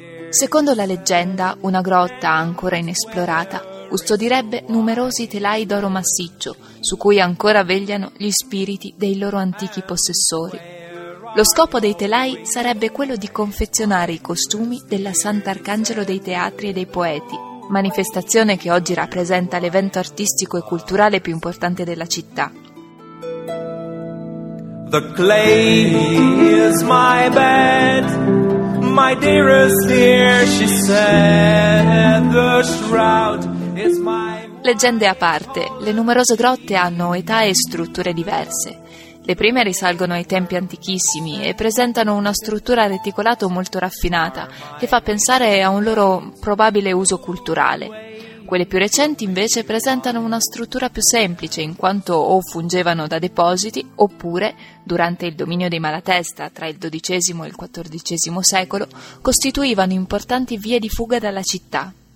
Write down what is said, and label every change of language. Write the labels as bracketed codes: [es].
[it] Secondo la leggenda, una grotta ancora inesplorata custodirebbe numerosi telai d'oro massiccio su cui ancora vegliano gli spiriti dei loro antichi possessori. Lo scopo dei telai sarebbe quello di confezionare i costumi della Sant'Arcangelo dei Teatri e dei Poeti, manifestazione che oggi rappresenta l'evento artistico e culturale più importante della città. [en] The clay is my bed, my dearest dear, she said, the shroud. [it] Leggende a parte, le numerose grotte hanno età e strutture diverse. Le prime risalgono ai tempi antichissimi e presentano una struttura reticolato molto raffinata che fa pensare a un loro probabile uso culturale. Quelle più recenti invece presentano una struttura più semplice in quanto o fungevano da depositi oppure, durante il dominio dei Malatesta tra il XII e il XIV secolo, costituivano importanti vie di fuga dalla città.